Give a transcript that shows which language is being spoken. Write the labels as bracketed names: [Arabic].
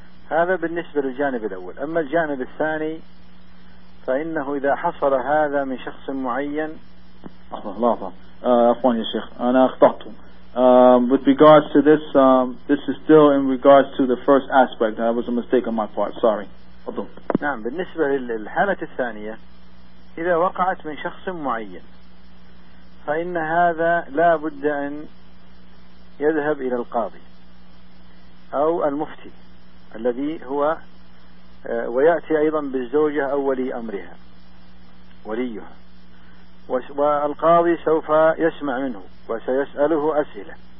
[Arabic] هذا بالنسبة للجانب الأول. أما الجانب الثاني فإنه إذا حصل هذا من شخص معين. الله أخواني يا شيخ أنا أخطأت. [English] With regards to this, this is still in regards to the first aspect. That was a mistake on my part. Sorry. [Arabic] نعم بالنسبة للحالة الثانية إذا وقعت من شخص معين فإن هذا لا بد أن يذهب إلى القاضي أو المفتي الذي هو ويأتي أيضا بالزوجة أو ولي أمرها وليها والقاضي سوف يسمع منه وسيسأله أسئلة